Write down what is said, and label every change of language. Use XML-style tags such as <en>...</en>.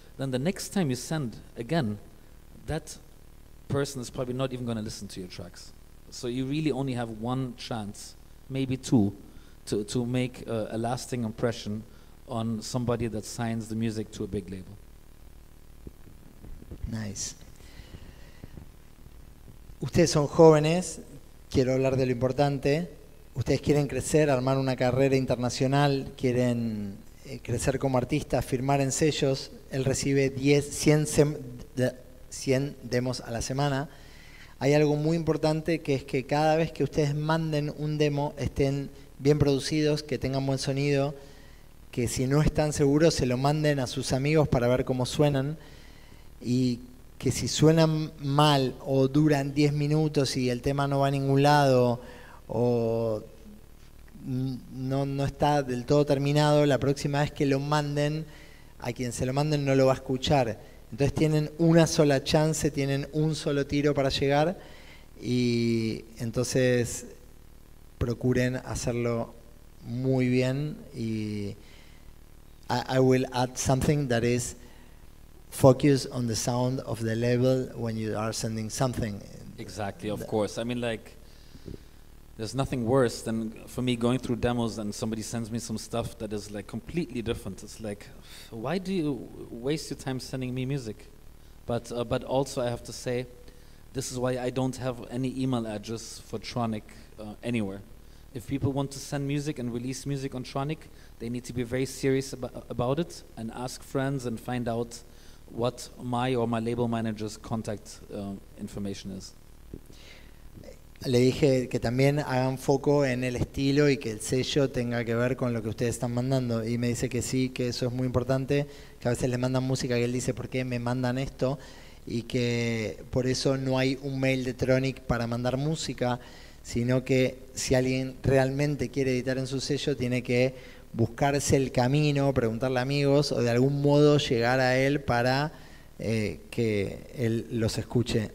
<en>Then the next time you send again, that person is probably not even going to listen to your tracks. So you really only have one chance, maybe two, to make a lasting impression on somebody that signs the music to a big label. Nice.</en> <es>Ustedes son jóvenes, quiero hablar de lo importante. Ustedes quieren crecer, armar una carrera internacional, quieren crecer como artista, firmar en sellos. Él recibe 100 demos a la semana. Hay algo muy importante, que es que cada vez que ustedes manden un demo, estén bien producidos, que tengan buen sonido, que si no están seguros, se lo manden a sus amigos para ver cómo suenan, y que si suenan mal o duran 10 minutos y el tema no va a ningún lado o no está del todo terminado, la próxima vez que lo manden, a quien se lo manden no lo va a escuchar. Entonces tienen una sola chance, tienen un solo tiro para llegar, y entonces procuren hacerlo muy bien.</es> <en>Y I will add something that is, focus on the sound of the label when you are sending something. Exactly, of course. I mean, like, there's nothing worse than, for me, going through demos and somebody sends me some stuff that is like completely different. It's like, why do you waste your time sending me music? But also I have to say, this is why I don't have any email address for Tronic anywhere. If people want to send music and release music on Tronic, they need to be very serious about it and ask friends and find out what my or my label manager's contact information is.</en> <es>Le dije que también hagan foco en el estilo y que el sello tenga que ver con lo que ustedes están mandando. Y me dice que sí, que eso es muy importante, que a veces le mandan música y él dice, ¿por qué me mandan esto? Y que por eso no hay un mail de Tronic para mandar música, sino que si alguien realmente quiere editar en su sello, tiene que buscarse el camino, preguntarle a amigos o de algún modo llegar a él para que él los escuche.</es>